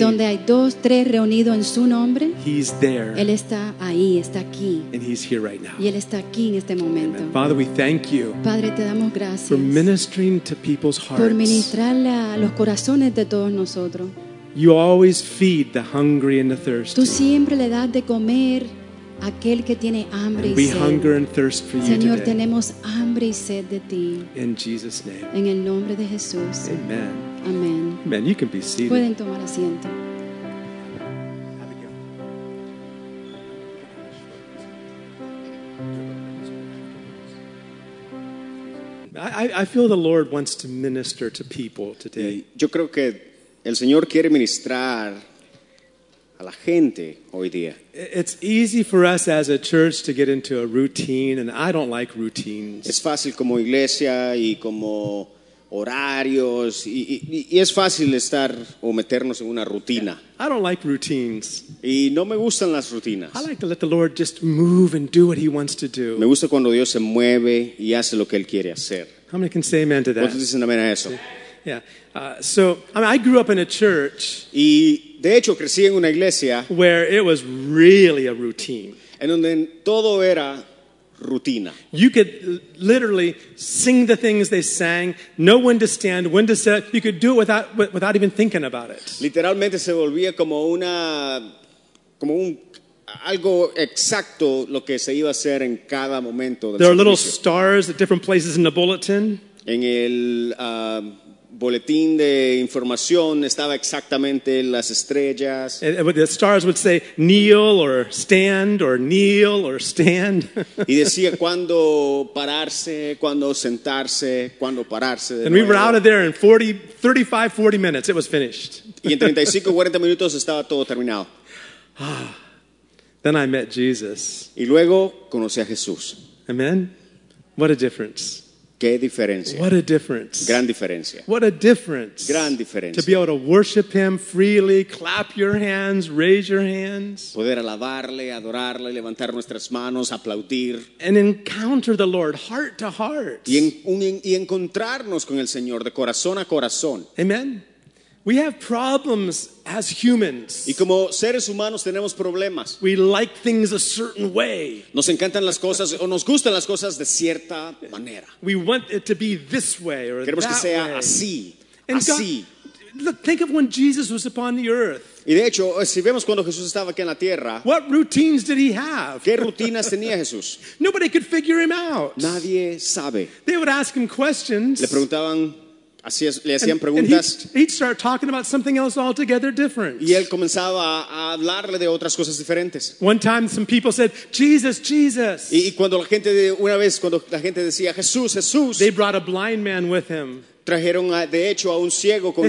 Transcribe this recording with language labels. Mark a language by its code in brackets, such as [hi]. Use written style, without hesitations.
[es] Donde hay dos, tres reunidos en su nombre. [en] He's there. [es] Él está ahí, está aquí. [en] And he's here right now. [es] Y él está aquí en este momento. [en] Amen. Father, we thank you. [es] Padre, te damos gracias. [en] For ministering to people's hearts. [es] Por ministrarle a los corazones de todos nosotros. [en] You always feed the hungry and the thirsty. [es] Tú siempre le das de comer. Aquel que tiene hambre [en] and we [es] sed. [en] Hunger and thirst for [es] Señor, [en] you today. [es] Tenemos hambre y sed de ti. [en] In Jesus' name. [es] En el nombre de Jesús. [en] Amen. Amen. Amen. You can be seated. [es] Pueden tomar asiento. [en] I feel the Lord wants to minister to people today. [es] Yo creo que el Señor quiere ministrar a la gente hoy día. [en] It's easy for us as a church to get into a routine, and I don't like routines. [es] Es fácil como iglesia y como horarios y es fácil estar o meternos en una rutina. [en] I don't like routines. [es] Y no me gustan las rutinas. [en] I like to let the Lord just move and do what he wants to do. [es] Me gusta cuando Dios se mueve y hace lo que él quiere hacer. [en] How many can say amen to that? [es] ¿Cuántos dicen amén a eso? [en] Yeah. So I mean, I grew up in a church. [es] Y de hecho, crecí en una iglesia [en] where it was really a routine. [es] En donde todo era rutina. [en] You could literally sing the things they sang, know when to stand, when to sit. You could do it without even thinking about it. [es] Literalmente se volvía como una como un algo exacto lo que se iba a hacer en cada momento del [en] There [es] servicio. [en] Are little stars at different places in the bulletin. [es] En el boletín de información estaba exactamente las estrellas. [en] The stars would say kneel or stand or kneel or stand. [es] Y decía cuándo pararse, cuándo sentarse, cuándo pararse. [en] And we were out of there in 35-40 minutes. It was finished. [es] Y en 35-40 minutos estaba todo terminado. [en] Then I met Jesus. [es] Y luego conocí a Jesús. [en] Amen. What a difference. [es] Qué diferencia. [en] What a difference. [es] Gran diferencia. [en] What a difference. [es] Gran diferencia. [en] To be able to worship him freely, clap your hands, raise your hands. [es] Poder alabarle, adorarle, levantar nuestras manos, aplaudir. [en] And encounter the Lord heart to heart. [es] Y encontrarnos con el Señor de corazón a corazón. [en] Amen. We have problems as humans. [es] Y como seres humanos tenemos problemas. [en] We like things a certain way. [es] Nos encantan las cosas o nos gustan las cosas de cierta manera. [en] We want it to be this way or [es] Queremos [en] that [es] que sea [en] way. [es] Así. And así. [en] God, look, think of when Jesus was upon the earth. [es] Y de hecho, si vemos cuando Jesús estaba aquí en la tierra, [en] what routines did he have? [es] ¿Qué rutinas tenía Jesús? [en] Nobody could figure him out. [es] Nadie sabe. [en] They would ask him questions. [es] Le preguntaban le hacían preguntas. [en] And he'd start talking about something else altogether different. [es] Y él comenzaba a hablarle de otras cosas diferentes. [en] One time some people said, Jesus, Jesus. [es] Y cuando la gente, una vez cuando la gente decía, Jesús, Jesús. [en] They brought a blind man with him. [es] Trajeron a, de hecho a un ciego con